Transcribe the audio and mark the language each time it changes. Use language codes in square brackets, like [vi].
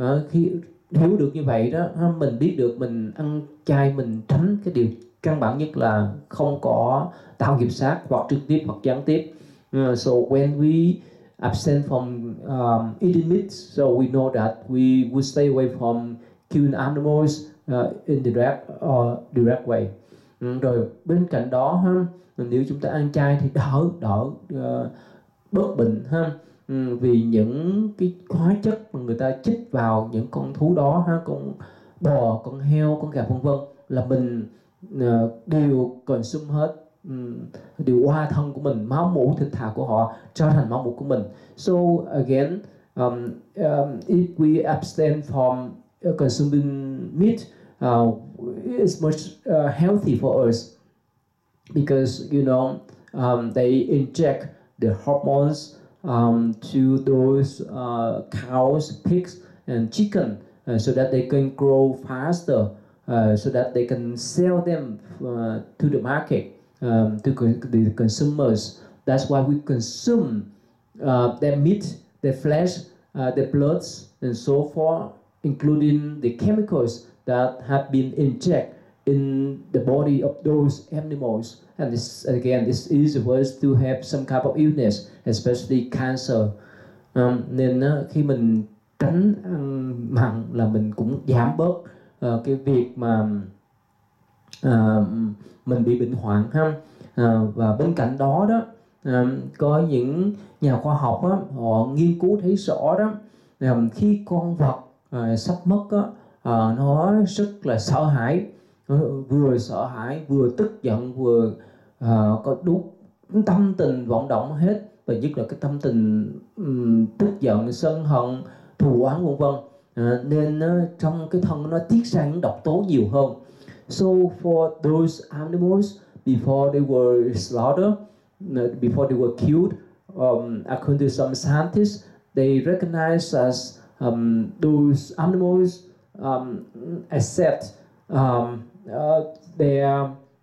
[vi] Khi hiểu được như vậy đó, mình biết được mình ăn chay, mình tránh cái điều căn bản nhất là không có tạo nghiệp sát, hoặc trực tiếp hoặc gián tiếp. [en] So when we abstain from eating meat, so we know that we would stay away from killing animals in direct or direct way. [vi] Rồi bên cạnh đó ha, nếu chúng ta ăn chay thì đỡ bớt bệnh ha, vì những cái hóa chất mà người ta chích vào những con thú đó ha, con bò, con heo, con gà vân vân, là mình đều consume hết, đều qua thân của mình, máu mủ thịt thà của họ trở thành máu mủ của mình. [en] So again, if we abstain from consuming meat, it's much healthy for us, because you know, they inject the hormones to those cows, pigs, and chicken, so that they can grow faster. so that they can sell them to the market, to the consumers. That's why we consume their meat, their flesh, their blood, and so forth, including the chemicals that have been injected in the body of those animals. And this, again, this is worse to have some type of illness, especially cancer. [vi] Nên khi mình tránh ăn mặn là mình cũng giảm bớt cái việc mà mình bị bệnh hoạn ha. Và bên cạnh đó đó, có những nhà khoa học đó, họ nghiên cứu thấy rõ đó, khi con vật sắp mất đó, nó rất là sợ hãi, vừa sợ hãi vừa tức giận vừa có đúng tâm tình vận động hết, và nhất là cái tâm tình tức giận, sân hận, thù oán vân vân, nên trong cái thân nó tiết ra những độc tố nhiều hơn. [en] So for those animals before they were slaughtered, before they were killed, according to some scientists, they recognize as those animals accept their